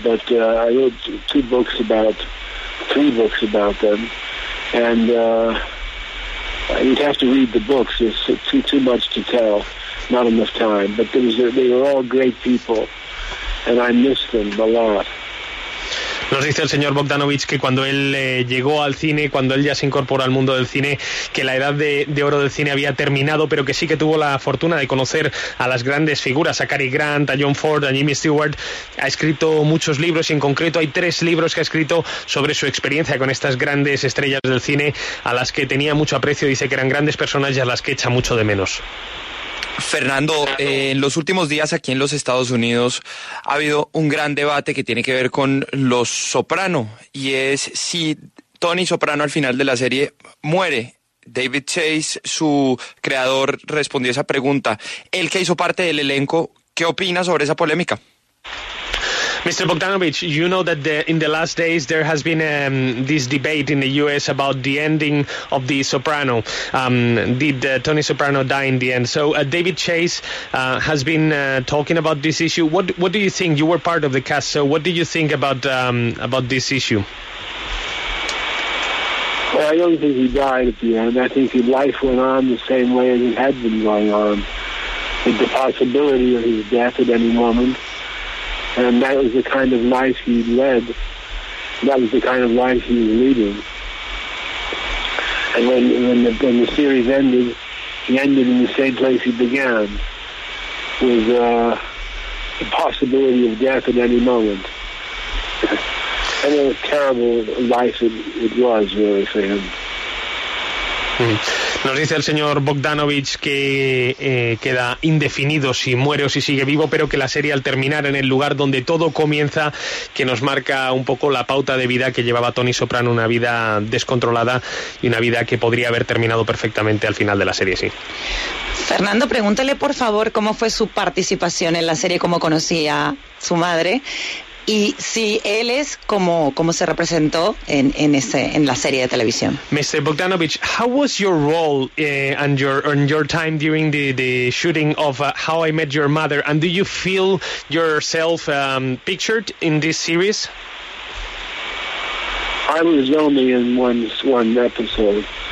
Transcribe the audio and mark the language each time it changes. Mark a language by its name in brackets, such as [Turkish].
[English] But I wrote three books about them. And you'd have to read the books. There's too much to tell, not enough time. But they were all great people, and I miss them a lot. [Spanish] Nos dice el señor Bogdanovich que cuando él llegó al cine, cuando él ya se incorporó al mundo del cine, que la edad de oro del cine había terminado, pero que sí que tuvo la fortuna de conocer a las grandes figuras, a Cary Grant, a John Ford, a Jimmy Stewart. Ha escrito muchos libros, y en concreto hay tres libros que ha escrito sobre su experiencia con estas grandes estrellas del cine, a las que tenía mucho aprecio, dice que eran grandes personas y a las que echa mucho de menos. Fernando, en los últimos días aquí en los Estados Unidos ha habido un gran debate que tiene que ver con Los Soprano, y es si Tony Soprano al final de la serie muere. David Chase, su creador, respondió esa pregunta. Él que hizo parte del elenco, ¿qué opina sobre esa polémica? [English] Mr. Bogdanovich, you know that in the last days there has been this debate in the U.S. about the ending of The Soprano. Did Tony Soprano die in the end? So David Chase has been talking about this issue. What do you think? You were part of the cast, so what do you think about this issue? Well, I don't think he died at the end. I think his life went on the same way as it had been going on, with the possibility of his death at any moment. And that was the kind of life he led. That was the kind of life he was leading. And when the series ended, he ended in the same place he began, with the possibility of death at any moment. And what a terrible life it was, really, for him. [Spanish] Nos dice el señor Bogdanovich que queda indefinido si muere o si sigue vivo, pero que la serie, al terminar en el lugar donde todo comienza, que nos marca un poco la pauta de vida que llevaba Tony Soprano, una vida descontrolada y una vida que podría haber terminado perfectamente al final de la serie, sí. Fernando, pregúntele por favor cómo fue su participación en la serie, cómo conocía su madre, y si él es como se representó en la serie de televisión. [English] Mr. Bogdanovich, how was your role and your time during the shooting of How I Met Your Mother, and do you feel yourself pictured in this series? I was only in one episode.